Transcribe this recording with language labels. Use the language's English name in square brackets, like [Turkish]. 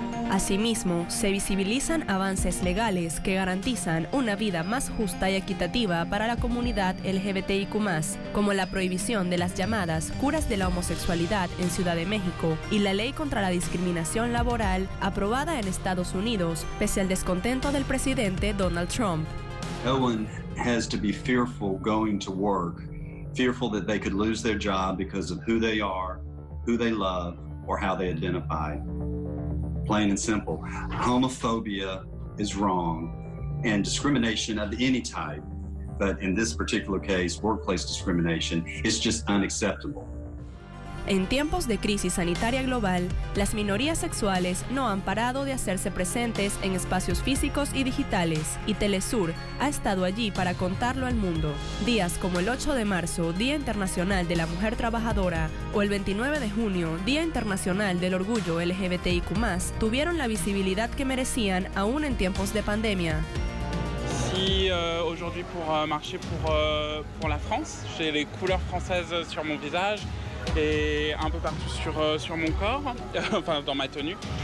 [Spanish] Asimismo, se visibilizan avances legales que garantizan una vida más justa y equitativa para la comunidad LGBTIQ+, como la prohibición de las llamadas curas de la homosexualidad en Ciudad de México y la ley contra la discriminación laboral aprobada en Estados Unidos, pese al descontento del presidente Donald Trump. [English] No one has to be fearful going to work, fearful that they could lose their job because of who they are, who they love, or how they identify. Plain and simple, homophobia is wrong, and discrimination of any type, but in this particular case, workplace discrimination, is just unacceptable. [Spanish] En tiempos de crisis sanitaria global, las minorías sexuales no han parado de hacerse presentes en espacios físicos y digitales, y Telesur ha estado allí para contarlo al mundo. Días como el 8 de marzo, Día Internacional de la Mujer Trabajadora, o el 29 de junio, Día Internacional del Orgullo LGBTIQ+, tuvieron la visibilidad que merecían aún en tiempos de pandemia. [French] Ici aujourd'hui pour marcher pour la France, j'ai les couleurs françaises sur mon visage. Et un peu partout sur mon corps, enfin dans ma tenue.